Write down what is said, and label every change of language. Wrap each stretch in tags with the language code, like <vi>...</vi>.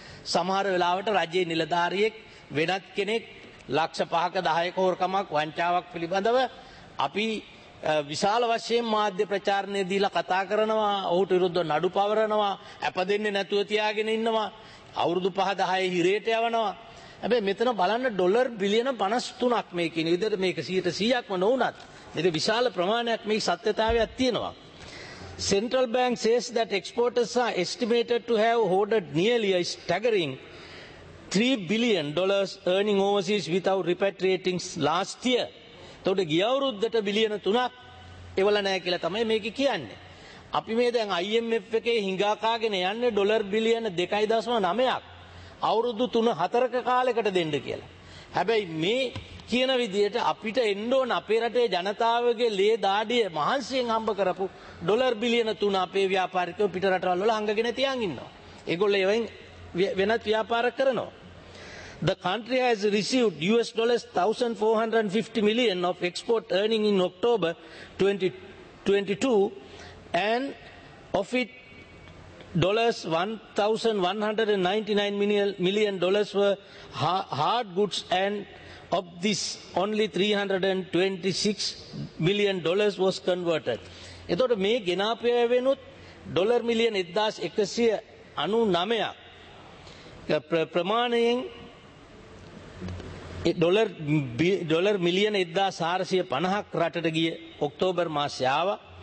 <si>සමහර වෙලාවට රජයේ නිලධාරියෙක් වෙනත් කෙනෙක් ලක්ෂ 5ක 10ක හෝරකමක් වංචාවක් පිළිබඳව අපි විශාල වශයෙන් මාධ්‍ය ප්‍රචාරණය දීලා කතා කරනවා, ඔහුට විරුද්ධව නඩු පවරනවා, අප දෙන්නේ නැතුව තියාගෙන ඉන්නවා, අවුරුදු 5 10 හිරේට යවනවා. හැබැයි මෙතන බලන්න ඩොලර් බිලියන 53ක් මේ කියන විදිහට මේක 100%ක්ම නොවුනත් මේක විශාල ප්‍රමාණයක් මේ සත්‍යතාවයක් තියෙනවා.</si> <en>Central Bank says that exporters are estimated to have hoarded nearly a staggering $3 billion earning overseas without repatriating last year.</en> <si>එතකොට ගිය අවුරුද්දට බිලියන 3ක් එවලා නැහැ කියලා තමයි මේක කියන්නේ. අපි මේ දැන් IMF එකේ හිඟාකාගෙන යන්නේ ඩොලර් බිලියන 2.9ක් අවුරුදු 3-4ක කාලයකට දෙන්න කියලා. හැබැයි මේ කියන විදිහට අපිට එන්න ඕන අපේ රටේ ජනතාවගේ ලේ දාඩිය මහන්සියෙන් හම්බ කරපු ඩොලර් බිලියන 3 අපේ ව්‍යාපාරිකයෝ පිට රටවල් වල අංගගෙන තියන් ඉන්නවා. ඒගොල්ලෝ එවෙන් වෙනත් ව්‍යාපාර කරනවා.</si> <en>The country has received $1,450 million of export earning in October 2022 and of it $1,199 million were hard goods and of this only $326 million was converted.</en> <si>එතකොට මේ ගෙනාපය වෙනුත් ඩොලර් මිලියන 1199ක් ප්‍රමාණයෙන් ඩොලර් මිලියන 1450ක් රටට ගිය ඔක්තෝබර් මාසය ආවා.</si>